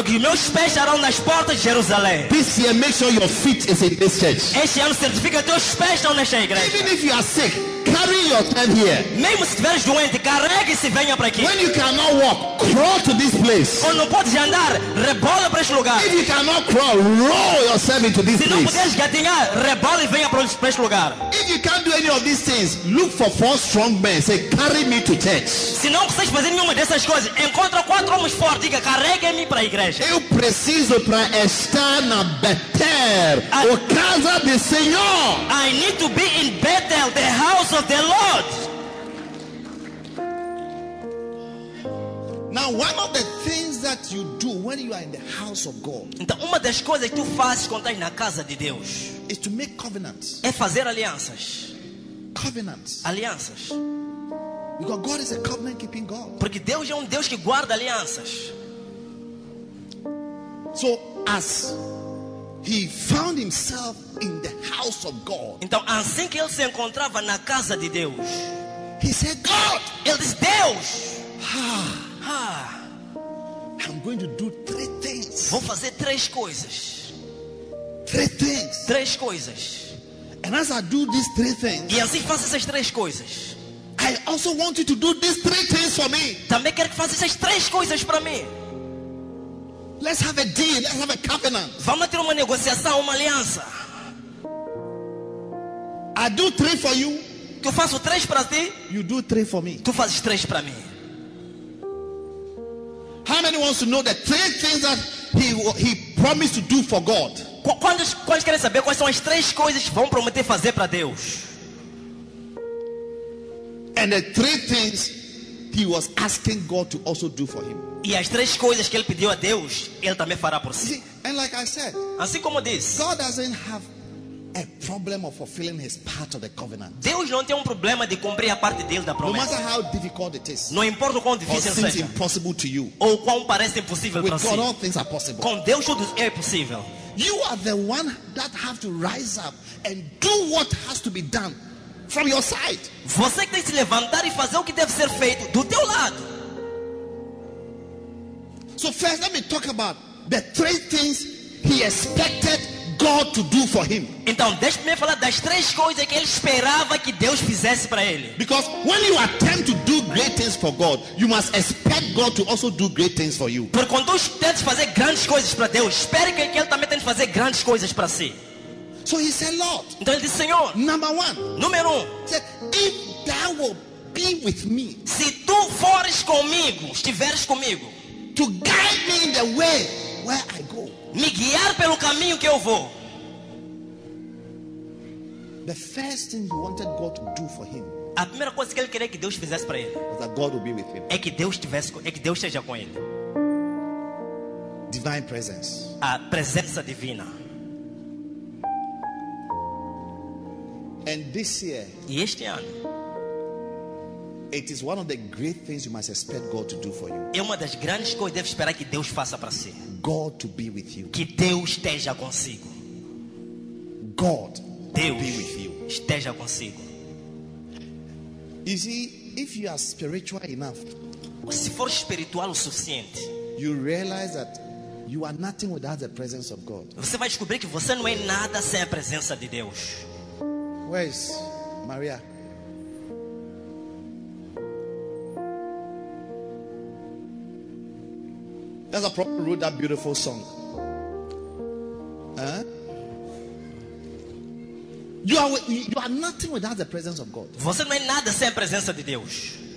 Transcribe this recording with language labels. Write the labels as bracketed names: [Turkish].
[Portuguese] Porque meus pés estarão nas portas de Jerusalém. [English] This year, make sure your feet is in this church. [Portuguese] Este ano certifica teus pés estão nesta igreja. [English] Even if you are sick. Carry your tent here. [Portuguese] Mesmo se estiveres doente, carregue-se e venha para aqui. [English] When you cannot walk, crawl to this place. [Portuguese] Ou não podes andar, rebola para este lugar. [English] If you cannot crawl, roll yourself into this [Portuguese] se [English] place. [Portuguese] Se não puderes gatinhar, rebola e venha para este lugar. [English] If you can't do any of these things, look for four strong men. Say, "Carry me to church." [Portuguese] Se não consegues fazer nenhuma dessas coisas, encontra quatro homens fortes e diga, "Carregue-me para a igreja." Eu preciso para estar na Bethel, o casa do Senhor. [English] I need to be in Bethel, the house of the Lord. Now, one of the things that you do when you are in the house of God. [Portuguese] Então, uma das coisas que tu fazes quando estás na casa de Deus. [English] Is to make covenants. [Portuguese] É fazer alianças. [English] Covenants. [Portuguese] Alianças. [English] Because God is a covenant-keeping God. [Portuguese] Porque Deus é Deus que guarda alianças. [English] So, as he found himself in the house of God. [Portuguese] Então, assim que ele se encontrava na casa de Deus. [English] He said, "God." [Portuguese] Ele disse, "Deus." [English] "I'm going to do three things." [Portuguese] Vou fazer três coisas. [English] Three things. [Portuguese] Três coisas. [English] "And as I do these three things." [Portuguese] E assim faço essas três coisas. [English] "I also want you to do these three things for me." [Portuguese] Também quero que faça essas três coisas para mim. [English] Let's have a deal. Let's have a covenant. [Portuguese] Vamos ter uma negociação, uma aliança. [English] "I do three for you." [Portuguese] Que eu faço três para ti. [English] "You do three for me." [Portuguese] Tu fazes três para mim. [English] How many wants to know the three things that he promised to do for God? [Portuguese] Quantos querem saber quais são as três coisas que vão prometer fazer para Deus? [English] And the three things he was asking God to also do for him. [Portuguese] E as três coisas que ele pediu a Deus, ele também fará por si. [English] See, and like I said, [Portuguese] assim como disse, [English] God doesn't have a problem of fulfilling his part of the covenant. [Portuguese] Deus não tem problema de cumprir a parte dele da promessa. [English] No matter how difficult it is, [Portuguese] não importa o quão difícil [English] or seems [Portuguese] seja, [English] impossible to you, [Portuguese] ou quão parece impossível para si, [English] with God all things are possible. [Portuguese] Com Deus tudo é possível. [English] You are the one that have to rise up and do what has to be done from your side. [Portuguese] Você tem que se levantar e fazer o que deve ser feito do teu lado. [English] So first, let me talk about the three things he expected God to do for him. [Portuguese] Então, deixe-me falar das três coisas que ele esperava que Deus fizesse para ele. [English] Because when you attempt to do great things for God, you must expect God to also do great things for you. [Portuguese] Porque quando você tenta fazer grandes coisas para Deus, espere que ele também tente fazer grandes coisas para si. [English] So he said, Lord. [Portuguese] Então ele disse, Senhor. [English] Number one. [Portuguese] Número um. [English] He said, if thou will be with me. [Portuguese] Se tu fores comigo, estiveres comigo. [English] To guide me in the way where I go. [Portuguese] Me guiar pelo caminho que eu vou. [English] The first thing he wanted God to do for him. [Portuguese] A primeira coisa que ele queria que Deus fizesse para ele. [English] Was that God would be with him. [Portuguese] É que Deus estivesse, é que Deus esteja com ele. [English] Divine presence. [Portuguese] A presença divina. [English] And this year, [Portuguese] e este ano, [English] it is one of the great things you must expect God to do for you. [Portuguese] É uma das grandes coisas que deve esperar que Deus faça para si. [English] God to be with you. [Portuguese] Que Deus esteja consigo. [English] God [Portuguese] Deus [English] to be with you. [Portuguese] Esteja consigo. [English] You see, if you are spiritual enough, [Portuguese] se for espiritual o suficiente, [English] you realize that you are nothing without the presence of God. [Portuguese] Você vai descobrir que você não é nada sem a presença de Deus. [English] Where is Maria? There's a prophet who wrote that beautiful song. Huh? You are nothing without the presence of God. [Portuguese] Você não é nada sem a presença de Deus.